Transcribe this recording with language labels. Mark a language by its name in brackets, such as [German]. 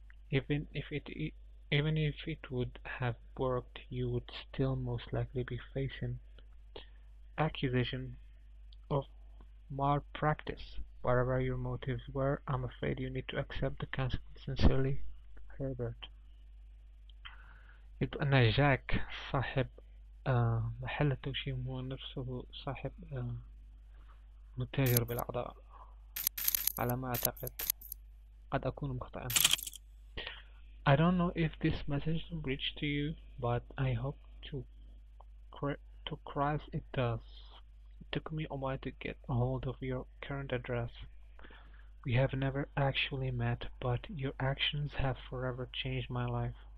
[English] Even if it would have worked, you would still most likely be facing accusation of malpractice. Whatever your motives were, I'm afraid you need to accept the consequences. Sincerely, Herbert. [Arabic] يبقى أن جاك صاحب محل التوشيم هو نفسه صاحب متاجر بالأعضاء على ما أعتقد. قد أكون مخطئا. [English] I don't know if this message reached to you, but I hope to to Christ it does. It took me a while to get a hold of your current address. We have never actually met, but your actions have forever changed my life.